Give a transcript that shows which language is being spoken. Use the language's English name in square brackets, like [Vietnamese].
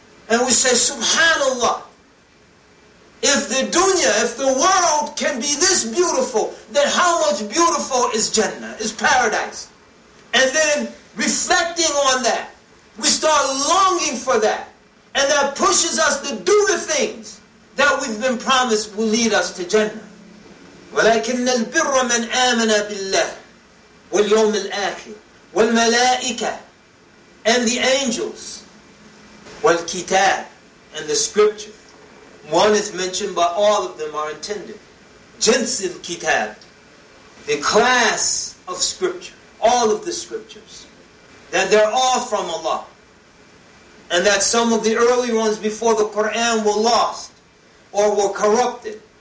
[English] And we say, Subhanallah, if the dunya, if the world can be this beautiful, then how much beautiful is Jannah, is paradise? And then reflecting on that, we start longing for that. And that pushes us to do the things that we've been promised will lead us to Jannah. [Arabic] وَلَكِنَّ الْبِرَّ مَنْ آمَنَ بِاللَّهِ وَالْيَوْمِ الْآخِرِ وَالْمَلَائِكَةِ [English] and the angels. [Arabic] وَالْكِتَابِ [English] and the scripture. One is mentioned, but all of them are intended. [Arabic] جِنْسِ الْكِتَابِ [English] the class of scripture. All of the scriptures. That they're all from Allah. And that some of the early ones before the Qur'an were lost or were corrupted.